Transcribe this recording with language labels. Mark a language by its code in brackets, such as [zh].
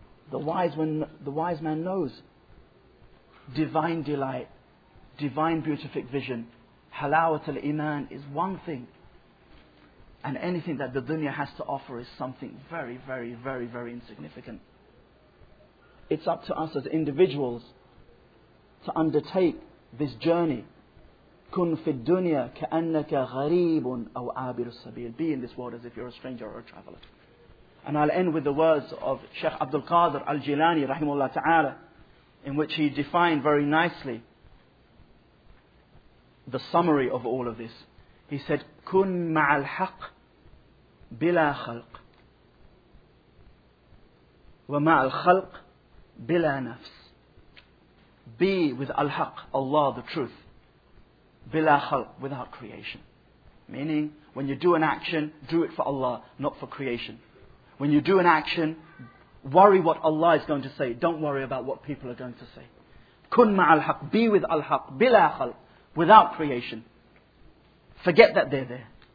[en] The wise man knows divine delight, divine beatific vision, halawat al-iman is one thing, and anything that the dunya has to offer is something very, very, very, very insignificant. It's up to us as individuals to undertake this journey, [ar] كن في الدنيا كأنك غريب أو عابر السبيل. [en] Be in this world as if you're a stranger or a traveler. And I'll end with the words of Sheikh Abdul Qadir Al-Jilani rahimahullah ta'ala, in which he defined very nicely the summary of all of this. [ar] He said, كن مع الحق بلا خلق ومع الخلق بلا نفس. [en] Be with Al-Haq, Allah, the truth, bila khalq, without creation. Meaning, when you do an action, do it for Allah, not for creation. When you do an action, worry what Allah is going to say. Don't worry about what people are going to say. [ar] Kun ma'al haq, [en] be with al-haq, bila khalq, without creation. Forget that they're there.